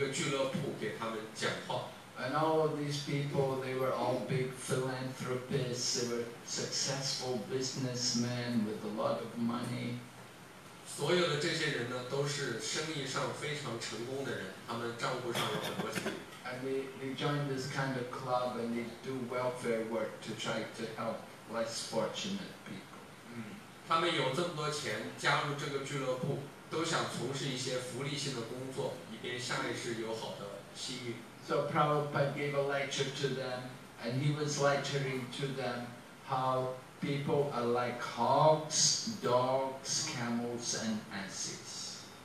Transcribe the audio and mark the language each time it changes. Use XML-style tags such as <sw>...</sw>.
<zh>圣帕帕呢有一次在这个孟买给一些商务人士一个俱乐部给他们讲话。</zh> <en>And all of these people, they were all big philanthropists, they were successful businessmen with a lot of money.</en> <zh>所有的这些人呢都是生意上非常成功的人，他们账户上有很多钱。</zh> <en>And they joined this kind of club and they do welfare work to try to help less fortunate people.</en> <zh>他们有这么多钱加入这个俱乐部，都想从事一些福利性的工作，以便下一世有好的机遇。So</zh> <en>Prabhupada gave a lecture to them, and he was lecturing to them how people are like hogs, dogs, camels, and asses.</en>